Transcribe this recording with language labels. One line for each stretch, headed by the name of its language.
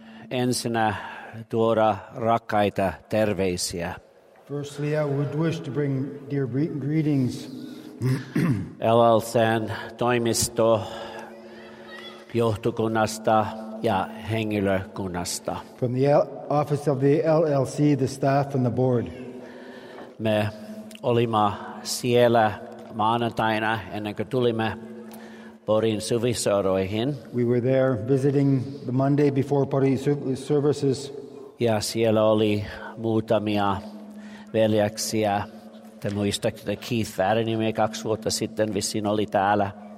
Finnish: ensinnä tuoda rakkaita terveisiä.
English: Firstly, I would wish to bring dear greetings.
Finnish: LLC:n toimisto johtokunnasta ja henkilökunnasta.
English: From the office of the LLC, the staff and the board.
Finnish: Me olimme siellä maanantaina ennen kuin tulimme Porin suvisoroihin.
English: We were there visiting the Monday before Porin services.
Finnish: Ja siellä oli muutamia veljeksiä. Te muistatte Keith Vääränimi 2 vuotta sitten vissiin oli täällä.